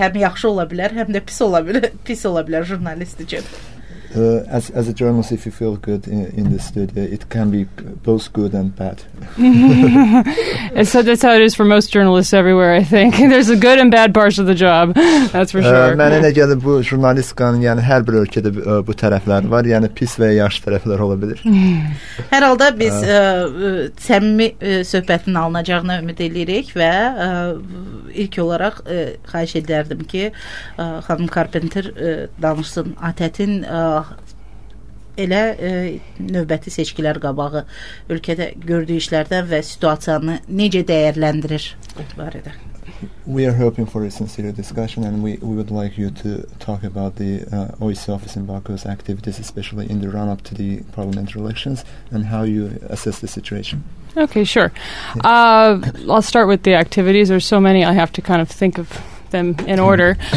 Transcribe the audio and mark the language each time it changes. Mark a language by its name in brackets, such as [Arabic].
[Azerbaijani] Həm yaxşı ola bilər, həm də pis ola bilər. Pis ola bilər jurnalist üçün. [English] As a journalist, if you feel good in the studio, it can be both good and bad. So that's how it is for most journalists everywhere, I think. There's a good and bad parts of the job, that's for sure. [Azerbaijani] Mənə nə gəlir bu jurnalistikanın, yəni hər bir ölkədə bu tərəflər var, yəni pis və yaxşı tərəflər ola bilir. Hər halda biz səmimi söhbətin alınacağına ümid edirik və ilk olaraq xahiş edərdim ki, xanım Carpenter danışsın ATƏT-in elə növbəti seçkilər qabağı ölkədə gördüyü işlərdən və situasiyanı necə dəyərləndirir bu barədə. [English] We are hoping for a sincere discussion and we would like you to talk about the OIC office in Baku's activities, especially in the run-up to the parliamentary elections and how you assess the situation. Okay, sure. I'll start with the activities. There's so many I have to kind of think of them in order.